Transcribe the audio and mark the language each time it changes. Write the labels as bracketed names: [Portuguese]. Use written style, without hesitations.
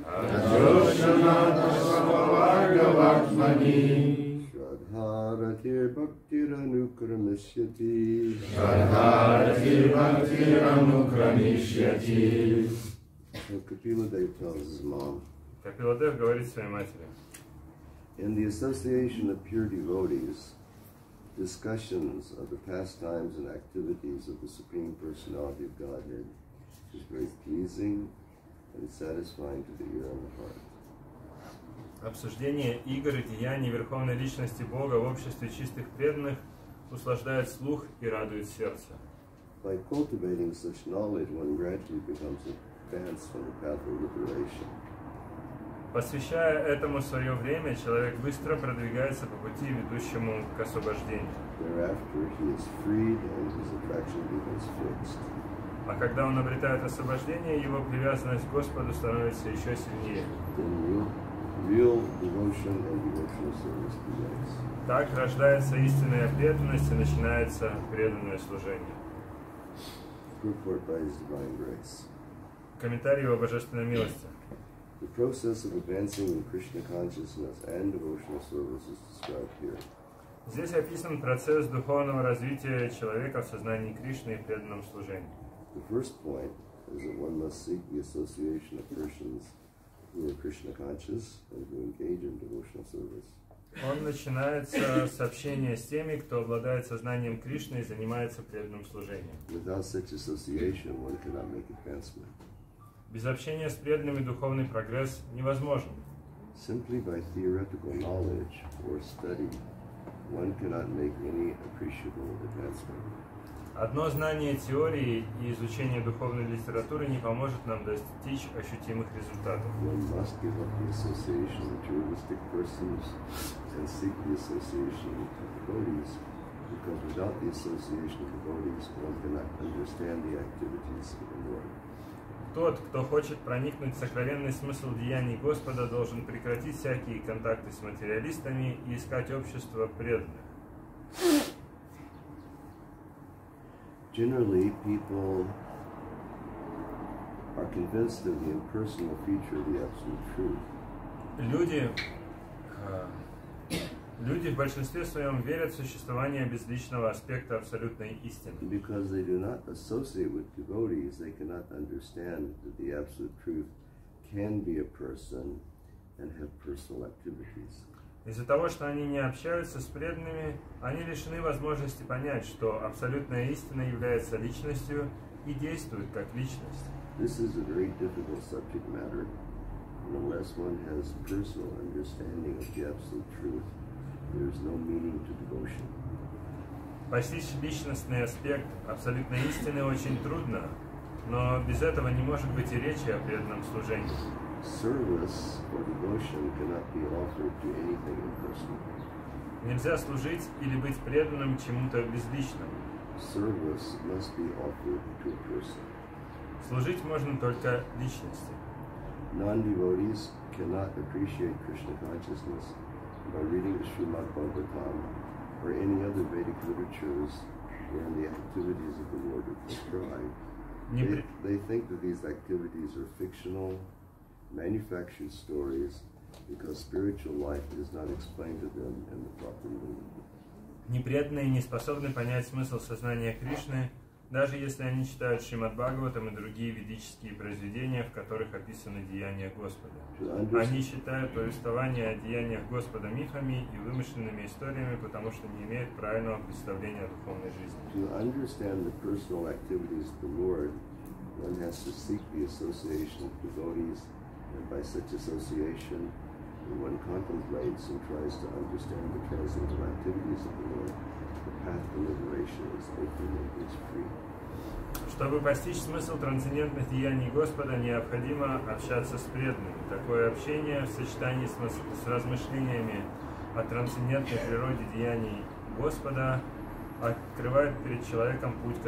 [Sanskrit] Аджошанад ашвапаварга вартмани. Шрадхаратир бхактиранукрамишьяти. Шрадхаратир бхактиранукрамишьяти. [English] Капиладев tells his mom. [Russian] Капиладев говорит своей матери. [English] In the association of pure devotees, discussions of the pastimes and activities of the Supreme Personality of Godhead is very pleasing and satisfying to the ear and the heart. [Russian] Обсуждение игр и деяний Верховной Личности Бога в обществе чистых преданных услаждает слух и радует сердце. [English] By cultivating such knowledge, one gradually becomes advanced on the path of liberation. [Russian] Посвящая этому свое время, человек быстро продвигается по пути, ведущему к освобождению. [English] Thereafter he is freed and his attraction becomes fixed. [Russian] А когда он обретает освобождение, его привязанность к Господу становится еще сильнее. [English] Then real devotion and devotional service begins. [Russian] Так рождается истинная преданность и начинается преданное служение. [English] Purport by his divine grace. [Russian] Комментарий о божественной милости. [English] The process of advancing in Krishna consciousness and devotional service is described here. [Russian] Здесь описан процесс духовного развития человека в сознании Кришны и преданном служении. [English] The first point is that one must seek the association of persons who are Krishna conscious and who engage in devotional service. [Russian] Он начинается с общения с теми, кто обладает сознанием Кришны и занимается преданным служением. [English] Without such association, one cannot make advancement. [Russian] Без общения с преданными духовный прогресс невозможен. [English] Simply by theoretical knowledge or study, one cannot make any appreciable advancement. [Russian] Одно знание теории и изучение духовной литературы не поможет нам достичь ощутимых результатов. [English] One must give up the association with dualistic persons and seek the association with devotees, because without the association of devotees, one cannot understand the activities of the Lord. [Russian] Тот, кто хочет проникнуть в сокровенный смысл деяний Господа, должен прекратить всякие контакты с материалистами и искать общество преданных. [English] Generally, people are convinced of the impersonal feature of the absolute truth. [Russian] Люди в большинстве своем верят в существование безличного аспекта абсолютной истины. [English] Because they do not associate with devotees, they cannot understand that the absolute truth can be a person and have personal activities. [Russian] Из-за того, что они не общаются с преданными, они лишены возможности понять, что абсолютная истина является личностью и действует как личность. [English] This is a very difficult subject matter, unless one has personal understanding of the absolute truth. There is no meaning to devotion. [Russian] Постичь личностный аспект абсолютной истины очень трудно, но без этого не может быть и речи о преданном служении. [English] Service or devotion cannot be offered to anything impersonal. [Russian] Нельзя служить или быть преданным чему-то безличному. [English] Service must be offered to a person. [Russian] Служить можно только личности. [English] Non-devotees cannot appreciate Krishna consciousness by reading the Srimad Bhagavatam or any other Vedic literatures and the activities of the Lord are prescribed. They think that these activities are fictional, manufactured stories because spiritual life is not explained to them in the proper way. [Russian] Непреданные не способны понять смысл сознания Кришны, даже если они читают Шримад Бхагаватам и другие ведические произведения, в которых описаны деяния Господа. Они считают повествования о деяниях Господа мифами и вымышленными историями, потому что не имеют правильного представления о духовной жизни. [English] To understand the personal activities of the Lord, one has to seek the association of devotees, and by such association, And one contemplates and tries to understand the transcendental activities of the Lord, the path to liberation is open and is free. [Russian] Чтобы постичь смысл трансцендентных деяний Господа, необходимо общаться с преданными. Такое общение в сочетании с размышлениями о трансцендентной природе деяний Господа открывает перед человеком путь к